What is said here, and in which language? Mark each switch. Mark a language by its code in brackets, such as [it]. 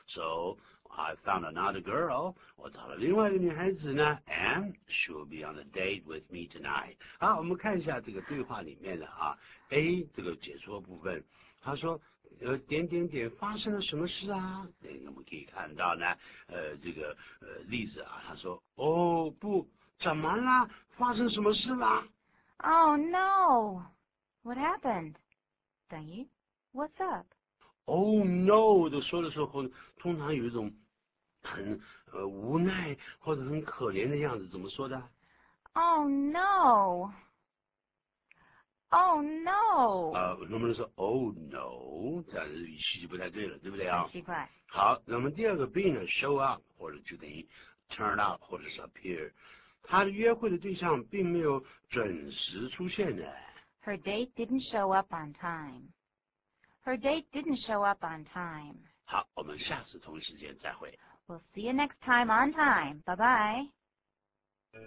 [en] So, I found another girl, [zh] 我找了另外一个女孩子呢 [en] and she'll be on a date with me tonight. [zh] 好，我们看一下这个对话里面的啊 ,A, 这个解说部分。她说点点点发生了什么事啊我们可以看到呢这个例子啊她说哦不怎么啦发生什么事啦 [en] Oh, no. What happened? 等于 What's up? Oh, no. [zh] 都说的时候通常有一种很无奈或者很可怜的样子怎么说的 [en] Oh, no. Oh, no. [zh] 能不能说 [en] Oh, no. [zh] 这样语气就不太对了对不对啊奇怪。好那么第二个 B 呢 show up, 或者就等于 turn up, 或者是 appear。她的约会的对象并没有准时出现的。 [en] Her date didn't show up on time. Her date didn't show up on time. [zh] 好，我们下次同一时间再会。 [en] We'll see you next time on time. Bye bye.